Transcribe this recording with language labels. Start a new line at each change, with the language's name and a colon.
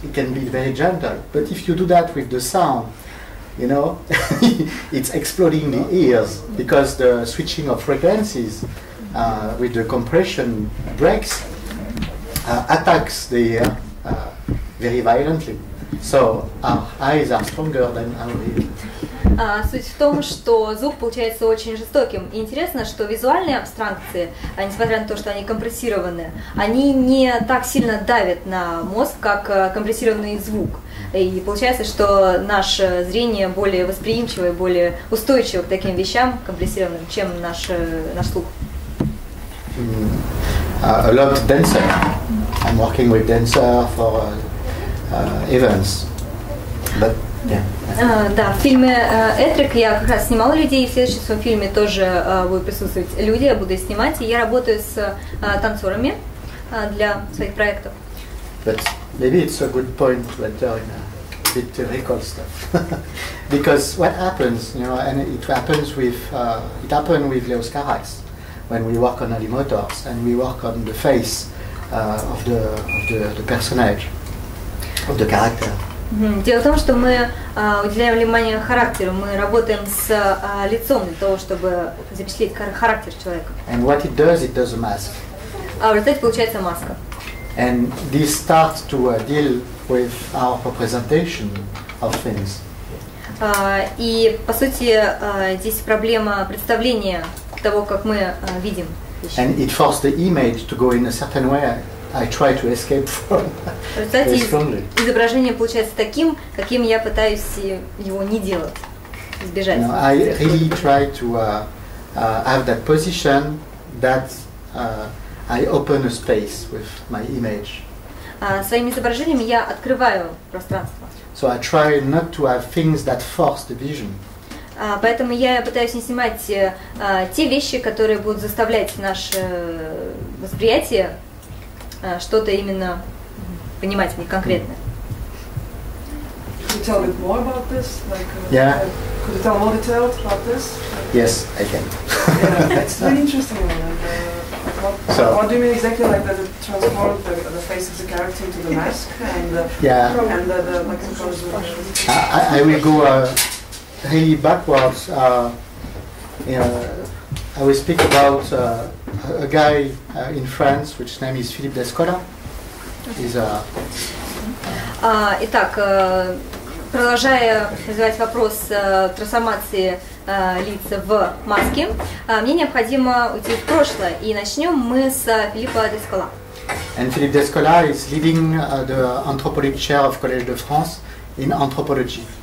English: It can be very gentle. But if you do that with the sound, you know, it's exploding the ears because the switching of frequencies with the compression breaks attacks the ear very violently. So our eyes are stronger than our ears.
Russian: Суть в том, что звук получается очень жестоким. И интересно, что визуальные абстракции, несмотря на то, что они компрессированы, они не так сильно давят на мозг, как компрессированный звук. И получается, что наше зрение более восприимчиво и более устойчиво к таким вещам компрессированным, чем наш слух.
English: A lot of dancer. I'm working with dancer for events. But, yeah.
Russian: Да, в фильме «Этрик» я как раз снимала людей, и в следующем своем фильме тоже будут присутствовать люди, я буду снимать, и я работаю с танцорами для своих проектов.
English: But maybe it's a good point to enter in a bit to recall stuff. Because what happens, you know, and it happened with Leos Carax, when we work on animators, and we work on the face of the personage, of the character.
Russian: Дело в том, что мы уделяем внимание характеру, мы работаем с лицом для того, чтобы запечатлеть характер человека.
English: And what it does, it does a mask.
Russian: А в результате получается маска.
English: And this starts to deal with our representation of things.
Russian: И по сути здесь проблема представления того, как мы видим вещи.
English: And it forces the image to go in a certain way I try to escape from.
Russian: Кстати, изображение получается таким, каким я пытаюсь его не делать, избежать.
English: No, I really try to have that position that I open a space with my image.
Russian: Своим изображением я открываю пространство.
English: So I try not to have things that force the vision.
Russian: Поэтому я пытаюсь не снимать те вещи, которые будут заставлять наше восприятие что-то именно понимать в них конкретно.
English: Could you tell a bit more about this? Like, yeah. Could you tell more details about this? Like, yes, I can. Yeah, it's really interesting. And, what do you mean exactly? Like the transform the face of the character into the mask and the and the like the colors. I will go. Really backwards, I will speak about a guy in France, which name is Philippe Descola. He's a.
Russian: Итак, продолжая задавать вопрос трансформации лица в маске, мне необходимо уйти в прошлое, и начнем мы с Филиппа Дескола.
English: And Philippe Descola is leading the anthropology chair of Collège de France in anthropology.